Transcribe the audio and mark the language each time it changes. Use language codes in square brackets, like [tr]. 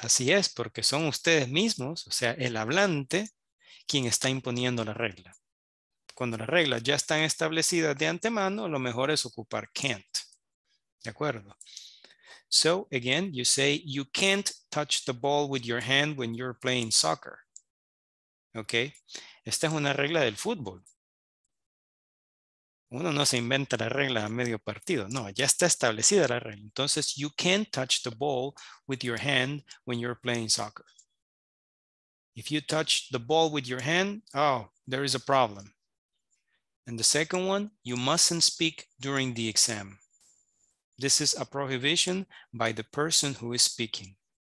[es] así es, porque son ustedes mismos, o sea, el hablante, quien está imponiendo la regla. Cuando las reglas ya están establecidas de antemano, lo mejor es ocupar can't. De acuerdo. [en] So again, you say you can't touch the ball with your hand when you're playing soccer. [es] Okay. Esta es una regla del fútbol. Uno no se inventa la regla a medio partido. No, ya está establecida la regla. [en] Entonces, you can't touch the ball with your hand when you're playing soccer. If you touch the ball with your hand, oh, there is a problem. And the second one, you mustn't speak during the exam. This is a prohibition by the person who is speaking.